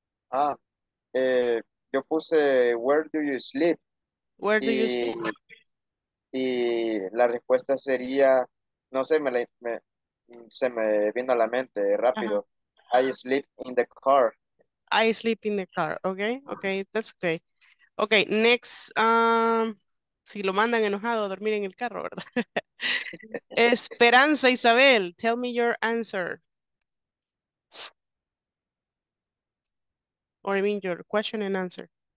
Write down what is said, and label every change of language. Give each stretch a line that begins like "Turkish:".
Spanish: Ah, yo puse,
English: where do you sleep? Where do you sleep?
Spanish: Y la respuesta sería, no sé, se me vino a la mente rápido.
English: Uh-huh. I sleep in the car. I sleep in the car, okay, okay, that's okay.
Spanish: Okay, next, si lo mandan enojado a dormir en el carro, ¿verdad?
English: Esperanza Isabel, tell me your answer. Or I mean your question and answer.